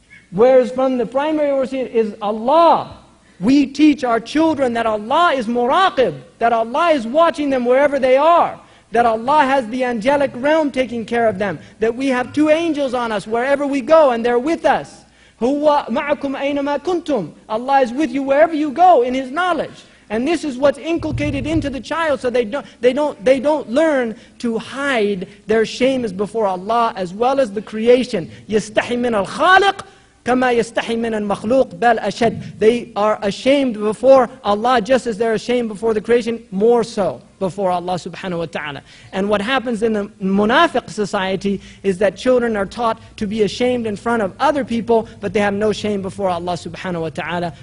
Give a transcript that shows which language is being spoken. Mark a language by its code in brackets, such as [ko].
[en] Whereas from the primary overseer is Allah. We teach our children that Allah is muraqib, that Allah is watching them wherever they are, that Allah has the angelic realm taking care of them, that we have two angels on us wherever we go and they're with us. Huwa ma'akum aynama kuntum. Allah is with you wherever you go in His knowledge. And this is what's inculcated into the child, so they don't learn to hide their shame is before Allah as well as the creation. [ar] يستحي من الخالق كما يستحي من المخلوق بل أشد. [en] They are ashamed before Allah just as they're ashamed before the creation, more so before Allah subhanahu wa ta'ala. And what happens in the munafiq society is that children are taught to be ashamed in front of other people, but they have no shame before Allah subhanahu wa ta'ala.